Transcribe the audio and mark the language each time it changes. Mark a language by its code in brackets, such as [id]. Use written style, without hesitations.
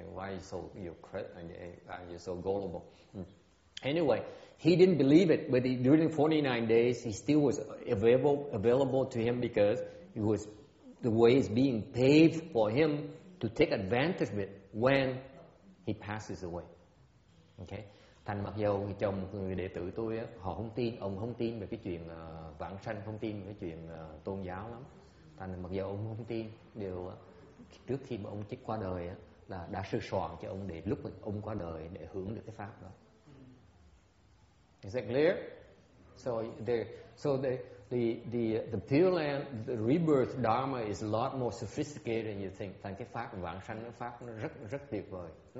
[en] Why are you so gullible? Anyway, he didn't believe it, but during 49 days, he still was available to him because it was the way is being paved for him to take advantage of it when he passes away. Okay? [vi] Thành mặc dù chồng người đệ tử tôi, họ không tin, ông không tin về cái chuyện vãng sanh, không tin về cái chuyện tôn giáo lắm. Thành mặc dù ông không tin, điều trước khi mà ông chết qua đời là đã sư soạn cho ông để lúc ông qua đời để hưởng được cái pháp đó. [en] Is that clear? So the Pure Land, the rebirth dharma is a lot more sophisticated than you think. [vi] Thành cái pháp vãng sanh, cái pháp nó rất rất tuyệt vời.